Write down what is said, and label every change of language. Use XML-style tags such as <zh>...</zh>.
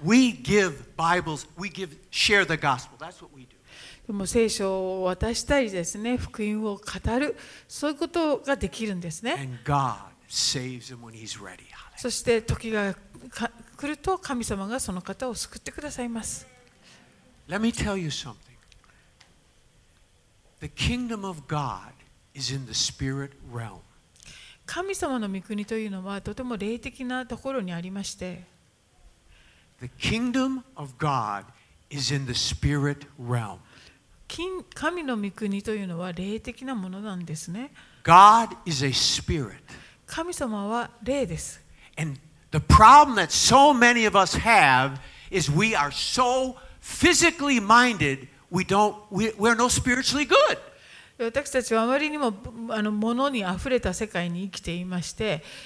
<en>We give Bibles. We give, share the gospel. That's what we do.</en> <ja>でも聖書を渡したりですね、福音を語る、そういうことができるんですね。</ja> <en>And God saves him when he's ready.</en> <ja>そして時が来ると神様がその方を救ってくださいます。</ja> <en>Let me tell you something. The kingdom of God is in the spirit realm.</en> <ja>神様の御国というのはとても霊的なところにありまして</ja> <en>The kingdom of God is in the spirit realm.</en> <ja>神の御国というのは霊的なものなんですね</ja> <en>God is a spirit.</en> <ja>神様は霊です</ja> <en>And the problem that so many of us have is we are so physically minded we're no spiritually good.</en> <ja>私たちはあまりにも物にあふれた世界に生きていまして、</ja>